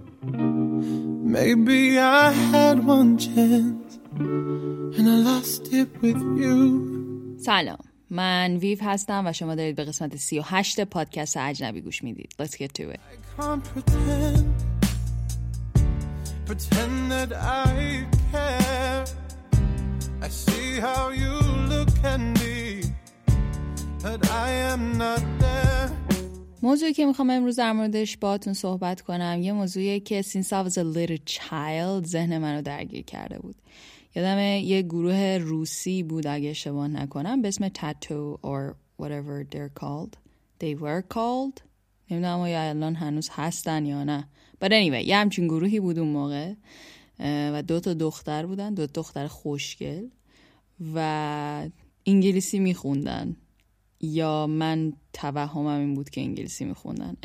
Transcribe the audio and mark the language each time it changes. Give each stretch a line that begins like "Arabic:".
English: Maybe I had one chance and I lost it with you.
Persian: سلام، من ویف هستم و شما دارید به قسمت 38 پادکست اجنبی گوش میدید.
English: Let's get to it. I can't pretend, pretend that I care. I see how you look at me, but I am not there.
Persian: موضوعی که میخوام امروز در موردش باهاتون صحبت کنم یه موضوعیه که
English: since I was a little child
Persian: ذهن منو درگیر کرده بود. یادم یه گروه روسی بود اگه اشتباه نکنم به اسم تاتو
English: or whatever they were called
Persian: نمیدونم آیا الان هنوز هستن یا نه،
English: but anyway
Persian: یه همچین گروهی بود اون موقع و دوتا دختر بودن، دوتا دختر خوشگل و انگلیسی میخوندن، یا من توهمم این بود که انگلیسی میخوندن.